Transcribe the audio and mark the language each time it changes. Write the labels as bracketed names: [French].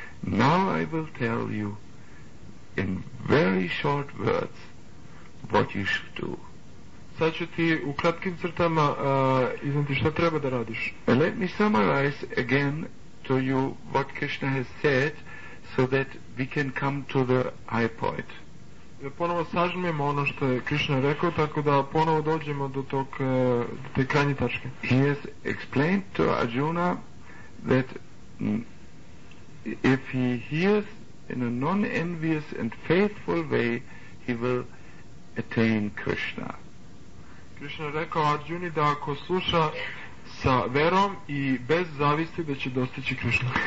[English] Now I will tell you in very short words what you should do. [Serbian] Sad ću ti u kratkim crtama izneti što treba da radiš. [English] And let me summarize again to you what Krishna has said so that we can come to the high point. [Serbian] Da ponovo sažmemo ono što je Krishna rekao, tako da ponovo dođemo do tog do te krajnje tačke. [English] He has explained to Arjuna that if he hears in a non-envious and faithful way, he will attain Krishna. [Serbian] Krishna rekao Arjuni da ako sluša sa verom i bez zavisti da će dostići Krishna.